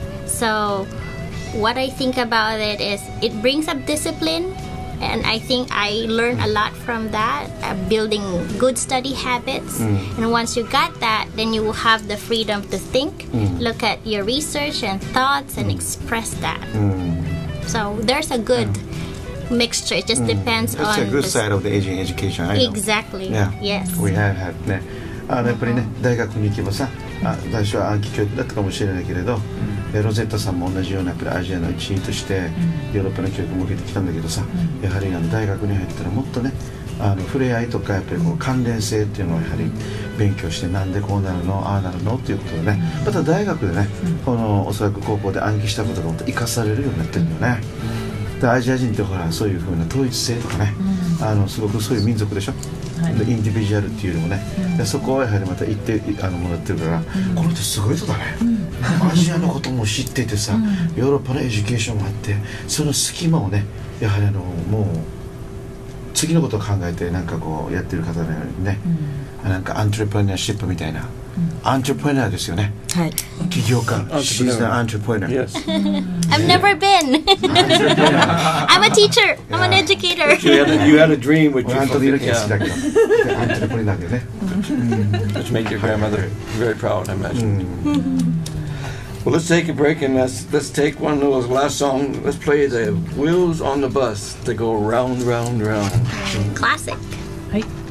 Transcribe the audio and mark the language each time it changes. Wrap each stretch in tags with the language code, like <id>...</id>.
<en>So what I think about it is it brings up discipline, and I think I learned a lot from that, building good study habits. And once you got that, then you will have the freedom to think, look at your research and thoughts and express that. So there's a good mixture. It just depends on... It's a good side of the Asian education, I know. Exactly. Yeah. Yes. We have had. ね。</en> <ja>あの、やっぱりね、大学に行けばさ、最初は暗記教育だったかもしれないけれど、ロゼッタさんも同じようなやっぱりアジアの一員としてヨーロッパの教育を受けてきたんだけどさ、やはりあの大学に入ったらもっとね、あの触れ合いとかやっぱりこう関連性っていうのをやはり勉強して、なんでこうなるの、ああなるのっていうことでね、また大学でね、このおそらく高校で暗記したことがもっと生かされるようになってるんだよね。でアジア人ってほらそういう風な統一性とかね、あのすごくそういう民族でしょ、インディビジュアルっていうよりもね、でそこはやはりまた行ってあのもらってるから、これってすごい人だね、アジアのことも知っててさ、ヨーロッパのエデュケーションもあって、その隙間をね、やはりあのもう次のことを考えてなんかこうやってる方のようにね、うん、なんかアントレプレナーシップみたいな、うん、アントレプレナーですよね、はい、起業家、</ja> <en>she's an entrepreneur、 yes. I've never been I'm a teacher, I'm an educator you had a dream which</en> <ja>アントレプレナーだけどアントレプレナーだよね</ja> <en>which made your grandmother very proud, I imagine Well, let's take a break and let's take one of those last songs. Let's play the Wheels on the Bus to go round, round, round. Classic. Hi.</en>